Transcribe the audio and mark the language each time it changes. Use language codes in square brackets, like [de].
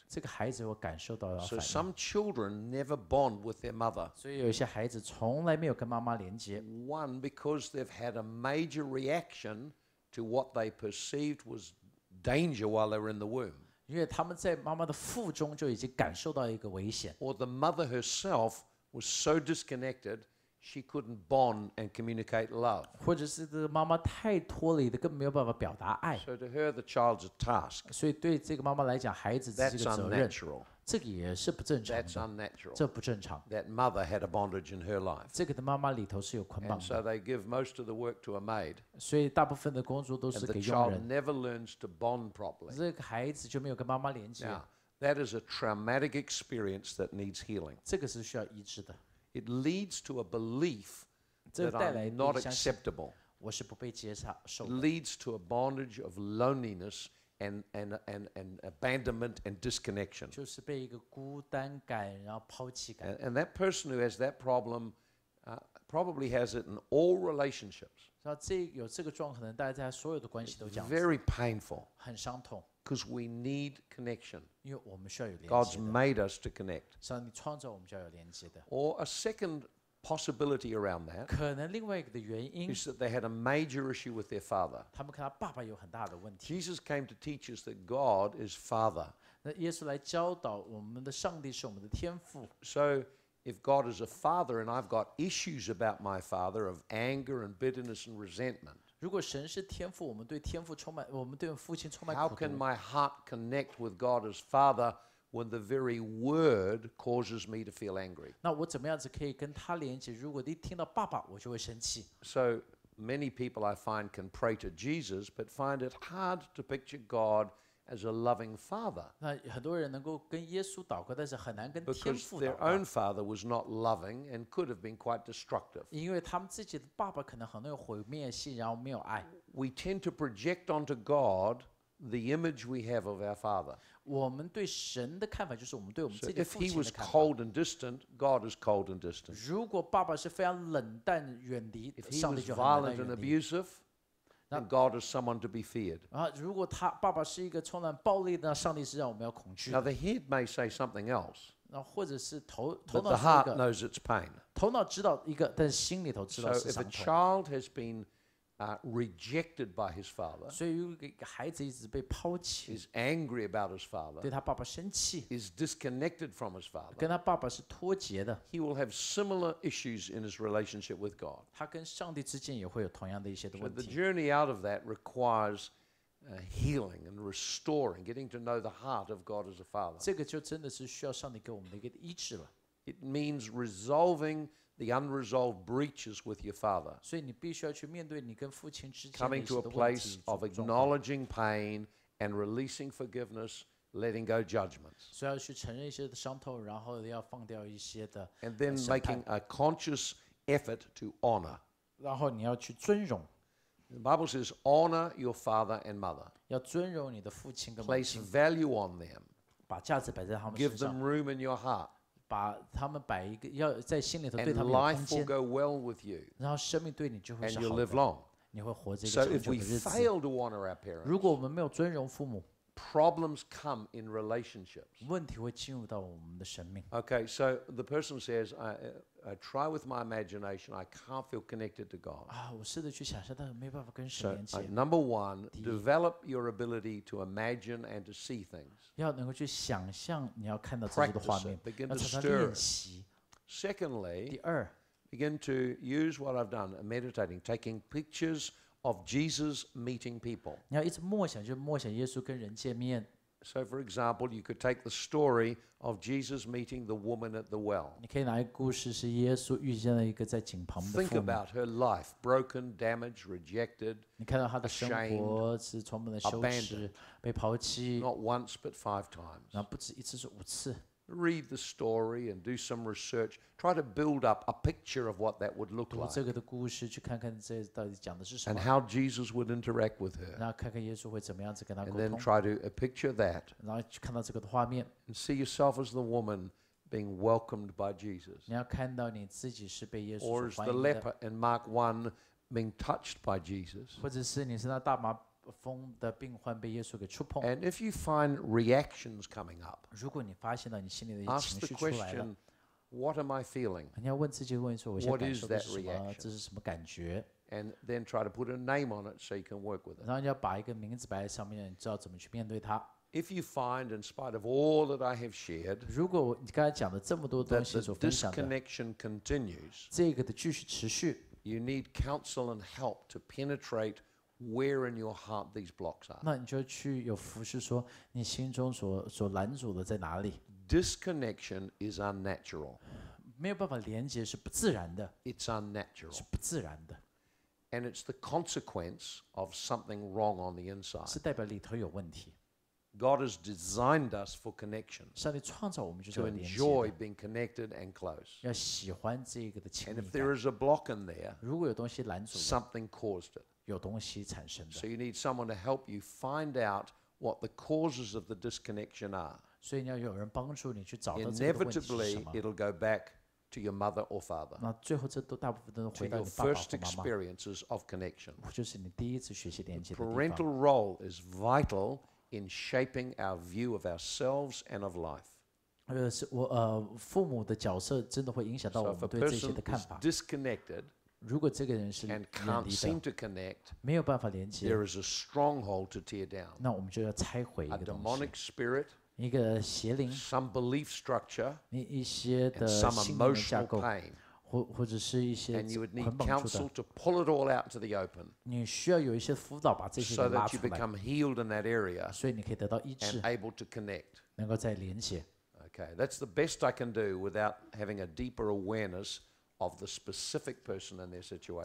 [zh] 这个孩子会感受到反应。 [en] So some children never bond with their mother. [zh] 所以有些孩子从来没有跟妈妈连接。 [en] One, because they've had a major reaction to what they perceived was danger while they were in the womb. [zh] 因为他们在妈妈的腹中就已经感受到一个危险。 [en] Or the mother herself was so disconnected. She couldn't bond and communicate love. [zh] 或者是这个妈妈太脱离的，根本没有办法表达爱。 [en] So to her, the child's a task. [zh] 所以对这个妈妈来讲，孩子是一个责任。 [en] That's unnatural. [zh] 这个也是不正常的。 [en] That's unnatural. [zh] 这不正常。 [en] That mother had a bondage in her life. [zh] 这个的妈妈里头是有捆绑的。 [en] And so they give most of the work to a maid. [zh] 所以大部分的工作都是给佣人。 [en] And the child never learns to bond properly. [zh] 这个孩子就没有跟妈妈连接。 [en] Now, that is a traumatic experience that needs healing. [zh] 这个是需要医治的。 [en] It leads to a belief that I'm not acceptable. [zh] 我是不被接受的。 [en] It leads to a bondage of loneliness and abandonment and disconnection. [zh] 就是被一个孤单感，然后抛弃感。 [en] And that person who has that problem, probably has it in all relationships. [zh] 那这有这个状况，可能大家在所有的关系都这样。 [en] Very painful. [zh] 很伤痛。 [en] Because we need connection. [zh] 因为我们需要有连接的。 [en] God's made us to connect. [zh] 所以你创造我们就要有连接的。 [en] Or a second possibility around that. [zh] 可能另外一个的原因。 [en] Is that they had a major issue with their father. [zh] 他们看他爸爸有很大的问题。 [en] Jesus came to teach us that God is Father. [zh] 那耶稣来教导我们的上帝是我们的天父。 [en] So if God is a father and I've got issues about my father of anger and bitterness and resentment. [zh] 如果神是天父，我们对天父充满，我们对父亲充满苦 [en] How can my heart connect with God as Father when the very word causes me to feel angry? [zh] 那我怎么样子可以跟他连接？如果一听到爸爸，我就会生气。 [en] So many people I find can pray to Jesus, but find it hard to picture God as a loving Father. [zh] 那很多人能够跟耶稣祷告，但是很难跟天父祷告。 [en] Because their own father was not loving and could have been quite destructive. [zh] 因为他们自己的爸爸可能很有毁灭性，然后没有爱。 [en] We tend to project onto God the image we have of our father. [zh] 我们对神的看法就是我们对我们自己父亲的看法。 [en] So if he was cold and distant, God is cold and distant. [zh] 如果爸爸是非常冷淡远离，上帝就很冷淡远离。 [en] If he was violent and abusive,And God is someone to be feared. [zh] 如果他爸爸是一个充满暴力的，上帝是让我们要恐惧。 [en] Now the head may say something else. [zh] 那或者是头脑。 [en] But the heart knows its pain. [zh] 头脑知道一个，但是心里头知道是伤痛。 [en] So if a child has been rejected by his father, [zh] 所以如果一个孩子一直被抛弃。 [en] Is angry about his father. [zh] 对他爸爸生气。 [en] Is disconnected from his father. [zh] 跟他爸爸是脱节的。 [en] He will have similar issues in his relationship with God. [zh] 他跟上帝之间也会有同样的一些的问题。 [en] So the journey out of that requires healing and restoring, getting to know the heart of God as a father. [zh] 这个就真的是需要上帝给我们的一个医治了。 [en] It means resolving. The unresolved breaches with your father. [zh] 所以你必须要去面对你跟父亲之间的问题。 [en] Coming to a place of acknowledging pain and releasing forgiveness, letting go judgments. [zh] 所以要去承认一些的伤痛，然后要放掉一些的。 [en] And then making a conscious effort to honor. [zh] 然后你要去尊荣。 [en] The Bible says, honor your father and mother. [zh] 要尊荣你的父亲跟母亲。 [en] Place value on them. [zh] 把价值摆在他们身上。 [en] Give them room in your heart. [zh] 把他们摆一个，要在心里头对他们有空间。 [en] And life will go well with you. [zh] 然后生命对你就会是好的。 [en] And you'll live long. [zh] 你会活这个长久的日子。 [en] So if we fail to honor our parents, [zh] 如果我们没有尊荣父母 [en] ，problems come in relationships. [zh] 问题会进入到我们的生命。 [en] Okay, so the person says, I try with my imagination, I can't feel connected to God. [zh] 啊，我试着去想象，但是没办法跟神连接。 [en] So number one, develop your ability to imagine and to see things. [zh] 要能够去想象你要看到自己的画面， [en] begin to stir. Secondly, [zh] 第二 [en] begin to use what I've done, meditating, taking pictures of Jesus meeting people. [zh] 你要一直默想，就默想耶稣跟人见面。 [en] So, for example, you could take the story of Jesus meeting the woman at the well. [zh] 你可以拿一个故事，是耶稣遇见了一个在井旁的妇女。 [en] Think about her life, broken, damaged, rejected. [zh] 你看到她的生活是充满了羞耻，被抛弃。 [en] Not once, but five times. [zh] 那不止一次，是五次。 [en] Read the story and do some research. Try to build up a picture of what that would look like. [zh] 读这个的故事，去看看这到底讲的是什么。 [en] And how Jesus would interact with her. [zh] 然后看看耶稣会怎么样子跟他沟通。 [en] And then try to picture that. [zh] 然后去看到这个的画面。 [en] And see yourself as the woman being welcomed by Jesus. [zh] 你要看到你自己是被耶稣欢迎的。 [en] Or as the leper in Mark 1 being touched by Jesus. [zh] 或者是你是那大麻疯的病患被耶稣给触碰。 [en] And if you find reactions coming up, [zh] 如果你发现到你心里的一些情绪出来了 [en] ，Ask the question, "What am I feeling?" [zh] 你要问自己，问说我现在感受的是什么？ [en] What is that reaction? [zh] 这是什么感觉？ [en] And then try to put a name on it so you can work with it. [zh] 然后你要把一个名字摆在上面，你知道怎么去面对它。 [en] If you find, in spite of all that I have shared, [zh] 如果你刚才讲的这么多东西所分享的 [en] ，that the disconnection continues, [zh] 这个的继续持续。 [en] You need counsel and help to penetrate where in your heart these blocks are. [zh] 那你就去有服侍说你心中所拦阻的在哪里。 [en] Disconnection is unnatural. [zh] 没有办法连接是不自然的。 [en] It's unnatural. [zh] 是不自然的。 [en] And it's the consequence of something wrong on the inside. [zh] 是代表里头有问题。 [en] God has designed us for connection. [zh] 上帝创造我们就是要连接的。 [en] To enjoy being connected and close. [zh] 要喜欢这个的亲密感。 [en] And if there is a block in there, [zh] 如果有东西拦阻了， [en] something caused it. [zh] 有东西产生的。 [en] So you need someone to help you find out what the causes of the disconnection are. [zh] 所以你要有人帮助你去找到这个问题是什么。 [en] Inevitably, it'll go back to your mother or father. [zh] 那最后这都大部分都回到你爸爸妈妈。 [en] To your first experiences of connection. [zh] 就是你第一次学习连接的地方。 [en] Parental role is vital. In shaping our view of ourselves and of life. [zh] 父母的角色真的会影响到我们对这些的看法。 [en] Disconnected, [zh] 如果这个人是 [en] and can't seem to connect, [zh] 没有办法连接 [en] there is a stronghold to tear down. [zh] 那我们就要拆毁一个东西。 [en] A demonic spirit, [zh] 一个邪灵 [en] some belief structure, [zh] 一些的 [en] some emotional pain, [zh] 或者是一些 [en] and you would need counsel to pull it all out to the open. [zh] 你需要有一些辅导把这些拉出来 [en] so that you become healed in that area. [zh] 所以你可以得到医治 [en] and able to connect. [zh] 能够再连接 [en] Okay, that's the best I can do without having a deeper awareness of the specific person in their situation.